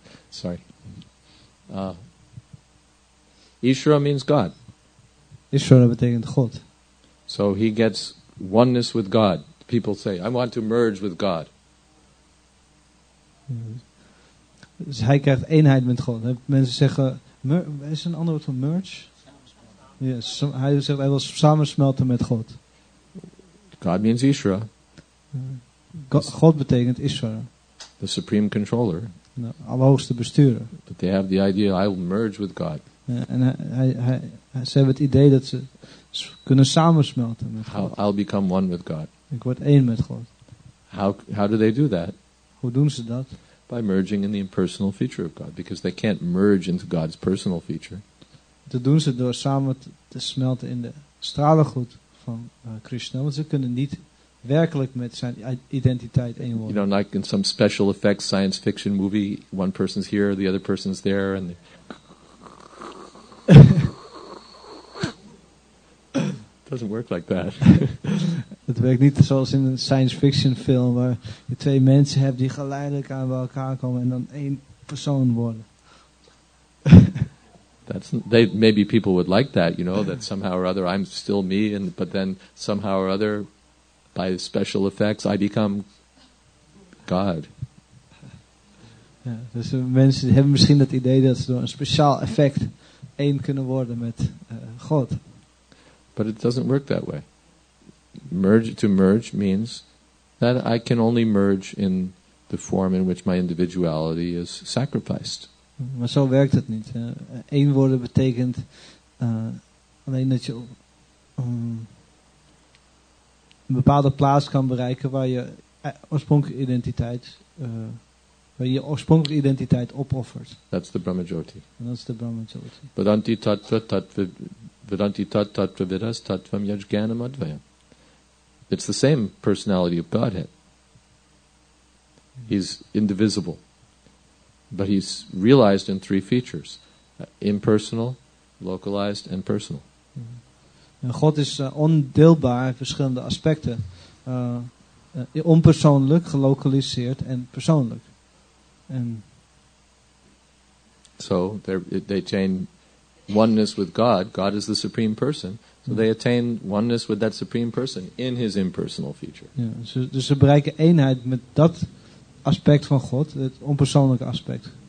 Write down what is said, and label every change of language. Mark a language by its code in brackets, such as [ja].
[en] Sorry. Ishvara means God. [nl] Ishvara betekent God. [en] So he gets oneness with God. People say, I want to merge with God. Yeah. [nl] Dus hij krijgt eenheid met God. Mensen zeggen, is er een ander woord voor merge? Yes, hij zegt hij wil samensmelten met God. [en] God means Ishvara. [nl] God betekent Ishvara. [en] The supreme controller. [nl] De allerhoogste bestuurder. [en] But they have the idea I will merge with God. [nl] Ja, en ze hebben het idee dat ze kunnen samensmelten met God. [en] I'll become one with God. [nl] Ik word één met God. [en] How do they do that? [nl] Hoe doen ze dat? [en] By merging in the impersonal feature of God, because they can't merge into God's personal feature. [nl] Dat doen ze door samen te smelten in de stralengoed van Krishna, want ze kunnen niet werkelijk met zijn identiteit één worden. [en] You know, like in some special effects science fiction movie, one person's here, the other person's there, and doesn't work like that. [nl] Het werkt niet zoals in een science fiction film waar je twee mensen hebt die geleidelijk aan bij elkaar komen en dan één persoon worden. [en] Maybe people would like that, you know, that somehow or other I'm still me, and but then somehow or other, by special effects, I become God. [nl] Ja, dus mensen hebben misschien het idee dat ze door een speciaal effect één kunnen worden met God. [en] But it doesn't work that way. To merge means that I can only merge in the form in which my individuality is sacrificed. [nl] Maar zo werkt het niet. Eén worden betekent alleen dat je een bepaalde plaats kan bereiken waar je oorspronkelijke identiteit opoffert. [en] That's the Brahmajyoti. And that's the Brahmajyoti. [sa] Vedanti tattva tattva Vedanti tattva vidas tattvam yajganam advayam. [en] It's the same personality of Godhead. He's indivisible. But he's realized in three features. Impersonal, localized, and personal. [nl] En God is ondeelbaar in verschillende aspecten. Onpersoonlijk, gelokaliseerd en persoonlijk. [en] So they attain oneness with God. God is the supreme person. So they attain oneness with that supreme person in his impersonal feature. [nl] Ja, dus ze bereiken eenheid met dat aspect van God, het onpersoonlijke aspect.